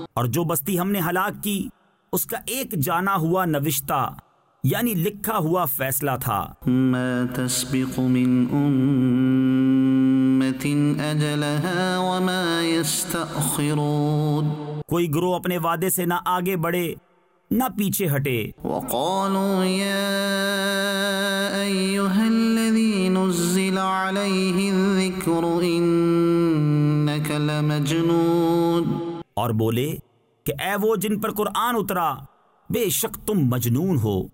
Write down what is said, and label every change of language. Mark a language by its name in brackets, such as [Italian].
[Urdu] اور جو بستی ہم نے ہلاک کی اس کا ایک جانا ہوا نوشتہ یعنی لکھا ہوا فیصلہ تھا [Arabic] ما تسبق من امت اجلها وما يستأخرون [Urdu] کوئی گروہ اپنے وعدے سے نہ آگے بڑھے نہ پیچھے ہٹے [Arabic] وَقَالُوا يَا أَيُّهَا الَّذِي نُزِّلَ عَلَيْهِ الذِّكْرُ إِنَّكَ لَمَجْنُونَ [Urdu] اور بولے کہ اے وہ جن پر قرآن اترا بے شک تم مجنون ہو